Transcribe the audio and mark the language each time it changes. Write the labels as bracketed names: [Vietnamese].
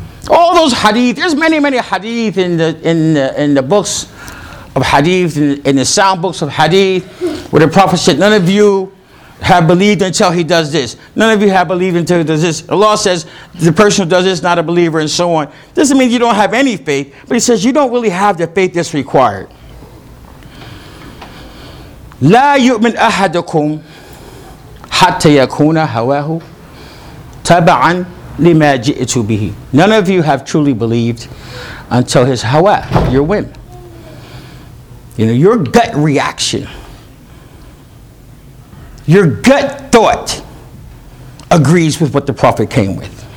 [English] All those hadith, there's many, many hadith in the books of hadith, in the sound books of hadith, where the Prophet said, none of you have believed until he does this. None of you have believed until he does this. Allah says, the person who does this is not a believer, and so on. Doesn't mean you don't have any faith, but he says you don't really have the faith that's required. [Arabic] لا يؤمن أحدكم حتى يكون هواه تبعا لما جئت به. [English] None of you have truly believed until his hawa, your whim. You know, your gut reaction, your gut thought agrees with what the Prophet came with.